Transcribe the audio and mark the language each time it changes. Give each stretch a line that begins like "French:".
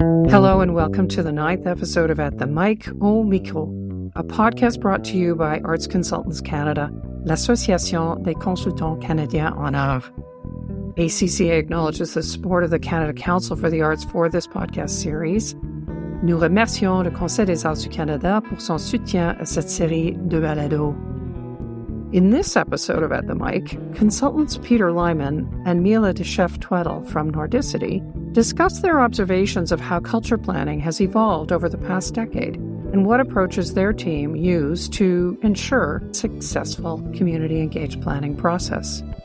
English: Hello and welcome to the 9th episode of At the Mic au Micro, a podcast brought to you by Arts Consultants Canada, l'Association des Consultants Canadiens en Arts. ACCA acknowledges the support of the Canada Council for the Arts for this podcast series.
French: Nous remercions le Conseil des Arts du Canada pour son soutien à cette série de balado.
English: In this episode of At the Mic, consultants Peter Lyman and Mila Deschef-Tweddle from Nordicity discuss their observations of how culture planning has evolved over the past decade and what approaches their team use to ensure successful community-engaged planning process.